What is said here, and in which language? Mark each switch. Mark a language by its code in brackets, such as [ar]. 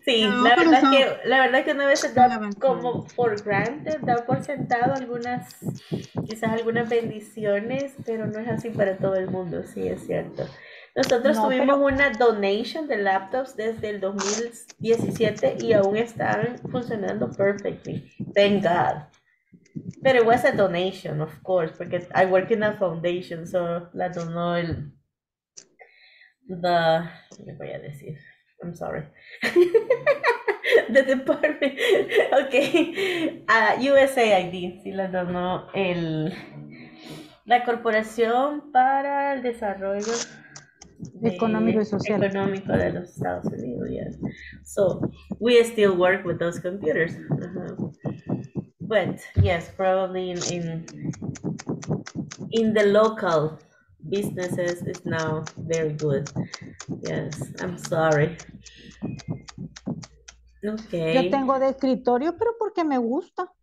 [es] Sí, no, la verdad es que una vez se da como por granted, da por sentado algunas, quizás algunas bendiciones, pero no es así para todo el mundo, sí, es cierto. Nosotros tuvimos una donation de laptops desde el 2017 y aún están funcionando perfectly. [en] Thank God. But it was a donation, of course, because I work in a foundation, so [es] la donó el... [en] The... [es] ¿Qué voy a decir? [en] I'm sorry. The department. Okay. [es] USAID. Sí, la donó el... La Corporación para el Desarrollo... Económico y social. Económico de los Estados Unidos, [en] yes. So, we still work with those computers. But yes, probably in the local businesses is now very good. Yes, I'm sorry. Okay. [es] Yo tengo de escritorio, pero porque me gusta.